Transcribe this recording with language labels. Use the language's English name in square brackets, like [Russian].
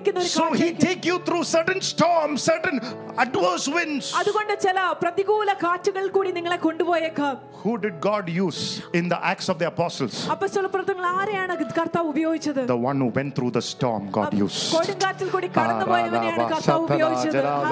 [English] So he take you through certain storms, certain adverse winds. [Malayalam] അതുകൊണ്ട് ചില പ്രതികൂല കാറ്റുകൾ കൂടി നിങ്ങളെ കൊണ്ടുപോയേക്കാം. [English] Who did God use in the Acts of the Apostles? [Malayalam] അപ്പോസ്തലപ്രവർത്തനങ്ങൾ ആരെയാണ് കർത്താവ് ഉപയോഗിച്ചത്? [English] The one who went through the storm God used. [Malayalam] കൊടുങ്കാറ്റിൽ കൂടി കടന്നുപോയവനെയാണ് കർത്താവ് ഉപയോഗിച്ചത്.